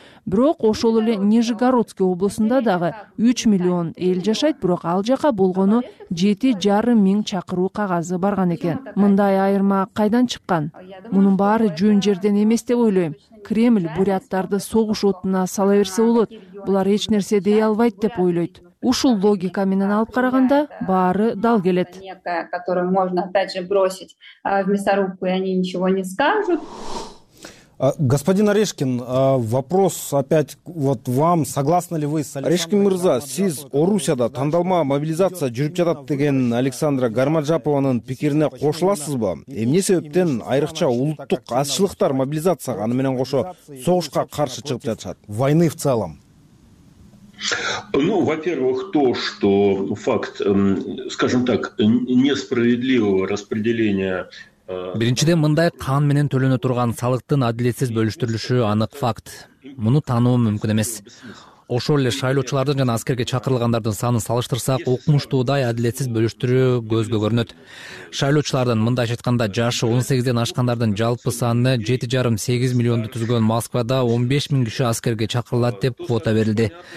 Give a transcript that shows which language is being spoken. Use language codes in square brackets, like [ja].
[ky] Бирок ошол эле Нижегородский облусунда дагы 3 000 000 эл жашайт, бирок ал жака болгону 7 500 чакыруу кагазы барган экен. Мындай айырма кайдан чыккан? Мунун баары жөн жерден эмес деп ойлойм. Кремль буряттарды согуш отуна сала берсе болот. Булар эч нерсе дей албайт деп ойлойт. Ушул логика менен алып караганда баары дал келет. [ru] Которую можно опять же бросить в мясорубку, и они ничего не скажут. Господин Орешкин, вопрос опять вот вам. Согласны ли вы с [ky] Александром? Орешкин мырза, сиз Орусияда тандалма мобилизация жүрүп жатат деген Александра Гармажапованын пикирине кошуласызбы? Эмне себептен айрыкча улуттук азчылыктар мобилизацияга аны менен кошо согушка каршы чыгып жатышат? [ru] Войны в целом. Ну, во-первых, то, что факт, скажем так, несправедливого распределения. [ky] Биринчиден, мындай кан менен төлөнө турган салыктын адилетсиз бөлүштүрүлүшү анык факт. Муну тануу мүмкүн эмес. Ошол эле шайлоочулардын жана аскерге чакырылгандардын санын салыштырсак, укмуштуудай адилетсиз бөлүштүрүү көзгө көрүнөт. Шайлоочулардын, мындайча айтканда, жашы 18 ашкандардын жалпы саны 7.5-8 миллионду түзгөн Москвада 15 000 киши аскерге чакырылат деп квота берилди.